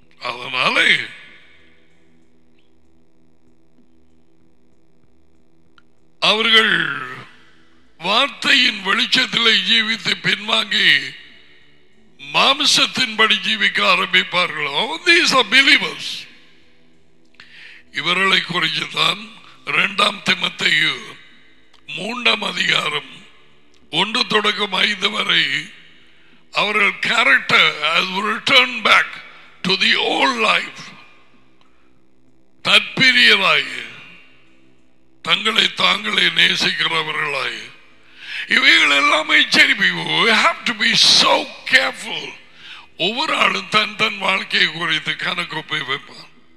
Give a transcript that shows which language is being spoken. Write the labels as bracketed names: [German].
[Tamil] அதனாலே அவர்கள் வார்த்தையின் வெளிச்சத்திலே ஜீவித்து பின்வாங்கி மாம்சத்தின்படி ஜீவிக்க ஆரம்பிப்பார்கள். [English] All these are believers. [Tamil] இவர்களை குறிச்சுதான் [English] 2 Timothy 3:1-5 [Tamil] அவர்கள் character [English] has returned back to the old life. [Tamil] தற்பிரியராய், தங்களை தாங்களே நேசிக்கிறவர்களாய், இவைகள் எல்லாமே எச்சரிப்பு. [English] We have to be so careful. [Tamil] ஒவ்வொரு ஆளும் தன் தன் வாழ்க்கையை குறித்து கணக்கு போய் வைப்பான்.